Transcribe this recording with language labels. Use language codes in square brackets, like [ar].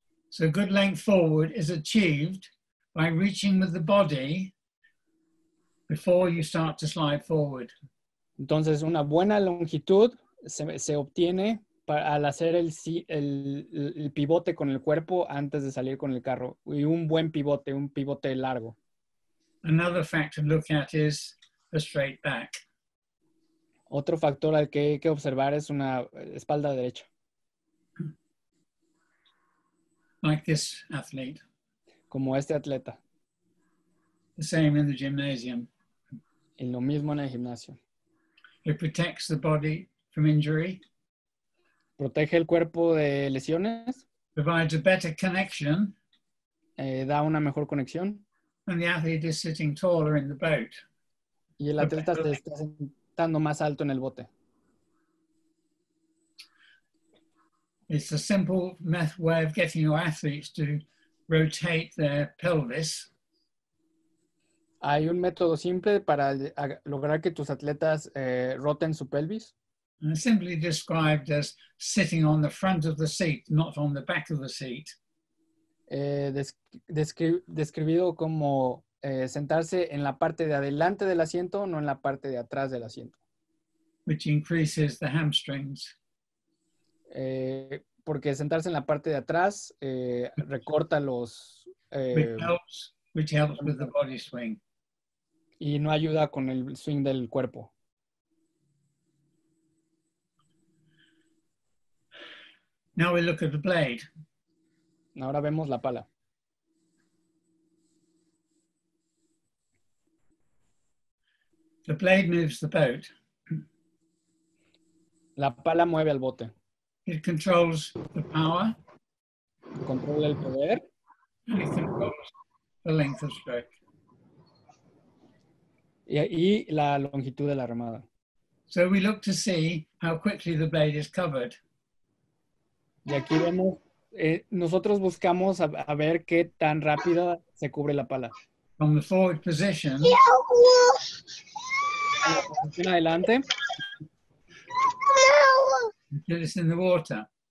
[en] So good length forward is achieved by reaching with the body before you start to slide forward. [es] Entonces una buena longitud se obtiene al hacer el pivote con el cuerpo antes de salir con el carro. Y un pivote largo. [en] Another factor to look at is a straight back. [es] Otro factor al que hay que observar es una espalda derecha. [en] Like this athlete. [es] Como este atleta. [en] The same in the gymnasium. [es] Y lo mismo en el gimnasio. [en] It protects the body from injury. [es] Protege el cuerpo de lesiones. [en] Provides a better connection. [es] Da una mejor conexión. [en] And the athlete is sitting taller in the boat. [es] Y el atleta se está sentando más alto en el bote. [en] It's a simple method way of getting your athletes to rotate their pelvis. [es] Hay un método simple para lograr que tus atletas roten su pelvis. [en] And simply described as sitting on the front of the seat, not on the back of the seat. [es] Describido como sentarse en la parte de adelante del asiento, no en la parte de atrás del asiento. [en] Which increases the hamstrings. [es] Porque sentarse en la parte de atrás recorta los... [en] Which helps with the body swing. [es] Y no ayuda con el swing del cuerpo. [en] Now we look at the blade. [es] Ahora vemos la pala. [en] The blade moves the boat. [es] La pala mueve al bote. [en] It controls the power. [es] Controla el poder. [en] And it controls the length of stroke. [es] y la longitud de la armada. [en] So we look to see how quickly the blade is covered. [es] Y aquí vemos, nosotros buscamos a ver qué tan rápido se cubre la pala. [en] From the forward position. [es] Adelante. [en] Until it's in the water.